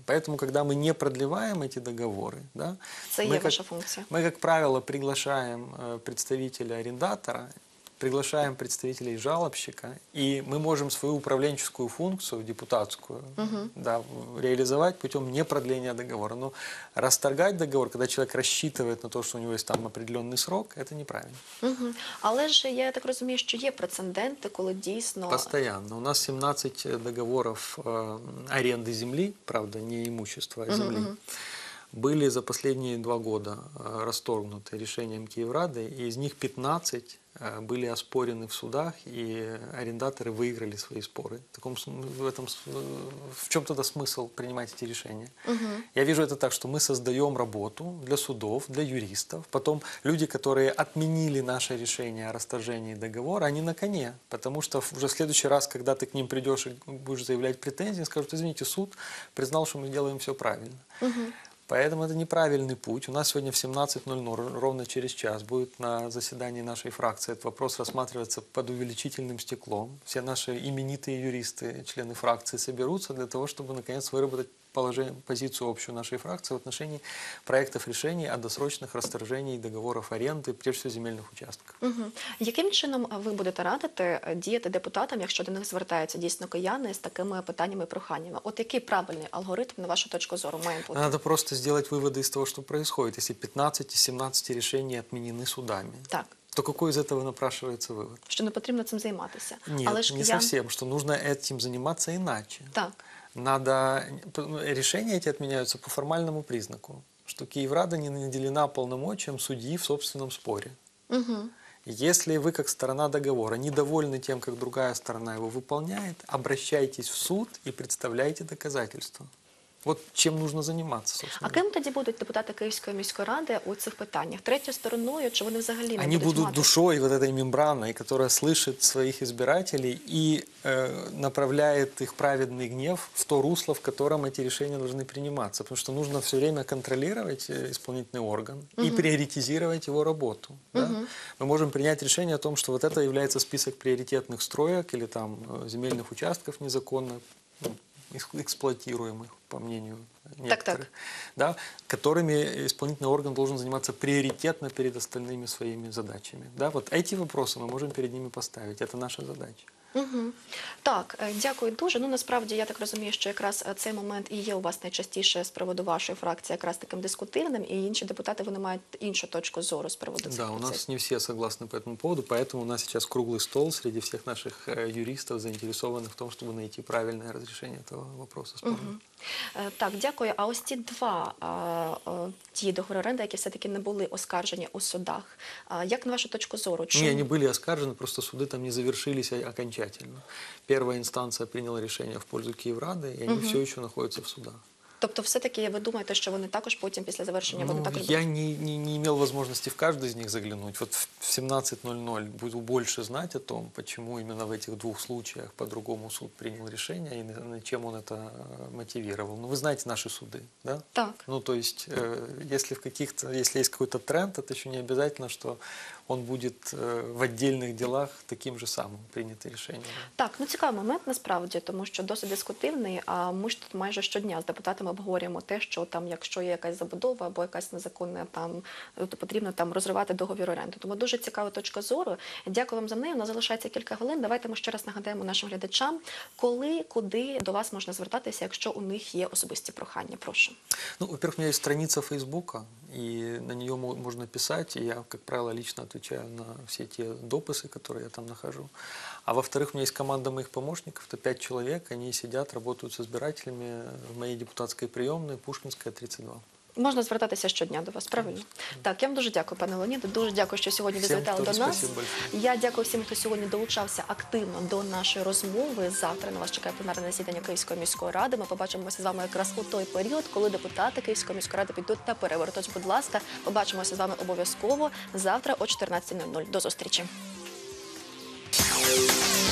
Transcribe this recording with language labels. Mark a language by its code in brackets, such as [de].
[ru] Поэтому, когда мы не продлеваем эти договоры, да, мы, как правило, приглашаем представителя арендатора, приглашаем представителей жалобщика, и мы можем свою управленческую функцию, депутатскую, да, реализовать путем непродления договора. Но расторгать договор, когда человек рассчитывает на то, что у него есть там определенный срок, это неправильно. [uk] Але ж, я так розумію, що є прецеденти, коли дійсно... [ru] Постоянно. У нас 17 договоров аренды земли, правда, не имущества, а земли. были за последние два года расторгнуты решением Киеврады, и из них 15 были оспорены в судах, и арендаторы выиграли свои споры. В чем тогда смысл принимать эти решения? Угу. Я вижу это так, что мы создаем работу для судов, для юристов. Потом люди, которые отменили наше решение о расторжении договора, они на коне. Потому что уже в следующий раз, когда ты к ним придешь и будешь заявлять претензии, скажут, извините, суд признал, что мы делаем все правильно. Угу. Поэтому это неправильный путь. У нас сегодня в 17:00, ровно через час, будет на заседании нашей фракции этот вопрос рассматриваться под увеличительным стеклом. Все наши именитые юристы, члены фракции, соберутся для того, чтобы наконец выработать позицию общую нашей фракции в отношении проектов решений о досрочных расторжениях договоров аренды, прежде всего, земельных участков. Угу. [uk] Яким чином ви будете радити діяти депутатам, якщо до них звертаються дійсно кияни з такими питаннями і проханнями? От який правильний алгоритм, на вашу точку зору, має бути? [ru] Надо просто сделать выводы из того, что происходит. Если 15 из 17 решений отменены судами, [uk] так, [ru] то какой из этого напрашивается вывод? Что [uk] не потрібно цим займатися. [ru] Нет, [uk] але ж [ru] не совсем, что нужно этим заниматься иначе. [uk] Так. [ru] Надо... Решения эти отменяются по формальному признаку, что Киеврада не наделена полномочием судьи в собственном споре. Угу. Если вы, как сторона договора, недовольны тем, как другая сторона его выполняет, обращайтесь в суд и представляйте доказательства. [uk] От чим [ru] нужно [uk] займатися, [ru] собственно. [uk] А ким тоді будуть депутати Київської міської ради у цих питаннях? Третьою стороною, чи вони взагалі не будуть? Вони будуть душою [ru] вот этой мембраны, которая слышит своих избирателей и направляет их праведный гнев в то русло, в котором эти решения должны приниматься. Потому что нужно все время контролировать исполнительный орган и приоритизировать его работу. Да? Мы можем принять решение о том, что вот это является список приоритетных строек или там земельных участков незаконно эксплуатируемых, по мнению некоторых, да, которыми исполнительный орган должен заниматься приоритетно перед остальными своими задачами. Да, вот эти вопросы мы можем перед ними поставить, это наша задача. [uk] Угу. Так, дякую дуже. Ну, насправді, я так розумію, що якраз цей момент і є у вас найчастіше з приводу вашої фракції якраз таким дискутивним, і інші депутати, вони мають іншу точку зору з приводу цих. Да, у нас не всі согласні по цьому поводу, [ru] поэтому [uk] у нас зараз круглий стол серед всіх наших юристів, заінтересованих в тому, щоб знайти правильне рішення цього питання. Угу. Так, дякую. А ось ті два ті договори оренди, які все-таки не були оскаржені у судах. Як на вашу точку зору? Чи... Ні, вони були оскаржені, просто суди там не завершилися [ru] окончательно. Первая инстанция приняла решение в пользу Киеврады, и они все еще находятся в судах. [uk] Тобто все-таки [ru] вы думаете, что они [uk] також потім [ru] после завершения будут так? Я не имел возможности в каждый из них заглянуть. Вот в 17:00 буду больше знать о том, почему именно в этих двух случаях по-другому суд принял решение и чем он это мотивировал. Ну, вы знаете наши суды, да? Так. Ну, то есть, если есть какой-то тренд, это еще не обязательно, что он будет в отдельных делах таким же самым принято решение. [uk] Так, ну, цікавий момент, насправді, тому що досить дискутивний, а ми ж тут майже щодня з депутатами ми обговорюємо те, що там, якщо є якась забудова або якась незаконна, там, то потрібно там розривати договір оренди. Тому дуже цікава точка зору. Дякую вам за неї. У нас залишається кілька хвилин. Давайте ми ще раз нагадаємо нашим глядачам, коли, куди до вас можна звертатися, якщо у них є особисті прохання. Прошу. [ru] Ну, во-первых, [uk] у мене є страниця Фейсбука, і на неї можна писати, і я, як правило, [ru] лично [uk] відповідаю на всі ті дописи, які я там [ru] нахожу. А во-вторых, у меня есть команда моих помощников, это 5 человек, они сидят, работают с избирателями в моей депутатской приемной, Пушкинская, 32. [uk] Можна звертатися щодня до вас, правильно? Так, я вам дуже дякую, пане Леоніде, дуже дякую, що сьогодні ви звітали до нас. Я дякую всім, хто сьогодні долучався активно до нашої розмови. Завтра на вас чекає пленарне засідання Київської міської ради. Ми побачимося з вами якраз у той період, коли депутати Київської міської ради підуть на перевороти. Тож, будь ласка, побачимося з вами обов'язково завтра о 14:00. До зустрічі. [en] We'll be right back.